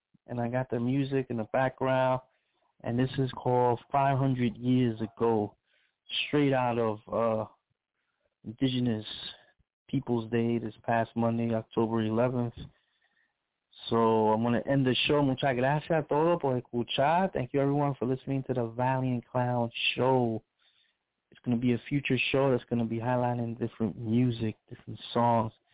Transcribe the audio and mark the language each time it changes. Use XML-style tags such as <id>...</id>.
<en>And I got the music in the background. And this is called 500 Years Ago, straight out of Indigenous People's Day this past Monday, October 11th. So I'm going to end the show.</en> <es>Muchas gracias a todos por escuchar.</es> <en>Thank you, everyone, for listening to the Valiant Clown Show. It's going to be a future show that's going to be highlighting different music, different songs.</en>